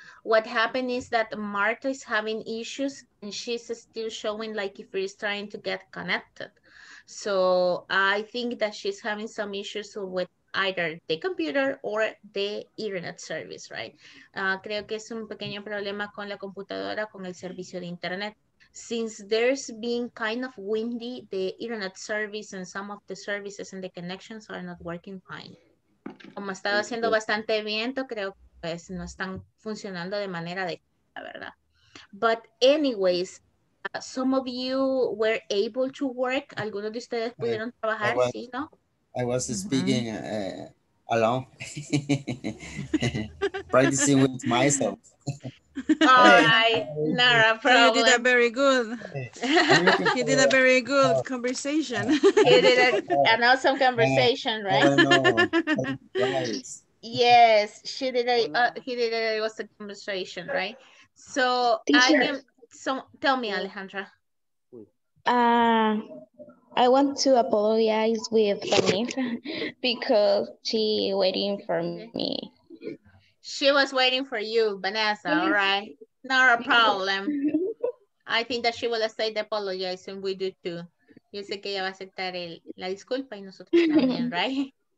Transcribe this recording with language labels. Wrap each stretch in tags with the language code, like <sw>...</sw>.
<en>What happened is that Marta is having issues and she's still showing like if she's trying to get connected. So I think that she's having some issues with either the computer or the internet service, right?</en> <es>Creo que es un pequeño problema con la computadora, con el servicio de internet.</es> <en>Since there's been kind of windy, the internet service and some of the services and the connections are not working fine.</en> <es>Como estaba haciendo bastante viento, creo que pues no están funcionando de manera adecuada, ¿verdad?</es> <en>But anyways, some of you were able to work.</en> <es>Algunos de ustedes pudieron trabajar, ¿sí, no?</es> <en>I was speaking alone. Practicing with myself. All right, not a problem. You did a very good. You did a very good conversation. You did an awesome conversation, right? Yes, she did a it was a demonstration, right? So teacher, tell me, Alejandra. I want to apologize with Vanessa because she waiting for me. She was waiting for you, Vanessa. All right, not a problem. I think that she will say the apologize and we do too.</en> <es>Yo sé que ella va a aceptar la disculpa y nosotros también, right?</es>